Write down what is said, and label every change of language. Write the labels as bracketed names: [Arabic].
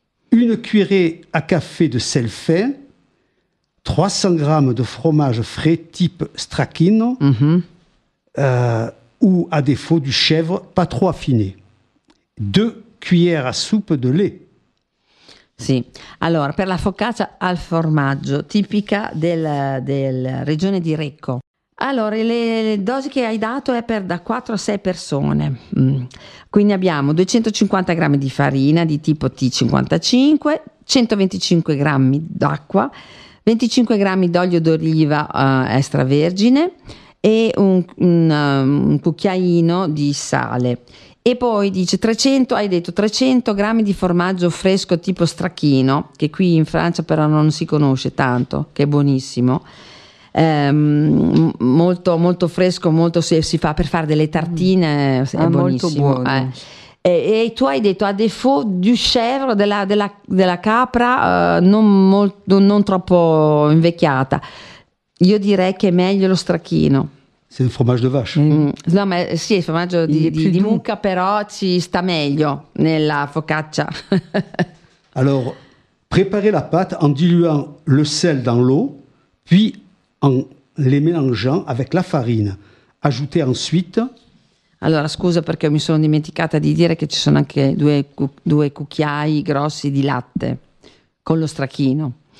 [French] Une cuillerée à café de sel fin. 300 g de fromage frais type stracchino, ou à défaut du chèvre pas trop affiné. 2 cuillères à soupe de lait. [Italian] Sì, allora per la focaccia al formaggio tipica della regione di Recco. Allora, le dosi che hai dato è per da 4 a 6 persone. Quindi abbiamo 250 g di farina di tipo T55, 125 g d'acqua, 25 g d'olio d'oliva extravergine e un cucchiaino di sale. E poi dice 300 g di formaggio fresco tipo stracchino, che qui in Francia però non si conosce tanto, che è buonissimo. Molto molto fresco, molto si fa per fare delle tartine, è buonissimo. Molto buono. E tu hai detto [French] a defaut du chèvre, [Italian] della capra non troppo invecchiata. Io direi che è meglio lo stracchino. C'è un [French] fromage de vache. [Italian] No, ma sì, il formaggio di mucca, però ci sta meglio nella focaccia. [French] Allora, préparer la pâte en diluant le sel dans l'eau, puis en les mélangeant avec la farine. Ajouter ensuite. [Italian] Allora, scusa perché mi sono dimenticata di dire che ci sono anche due cucchiai grossi di latte con lo stracchino.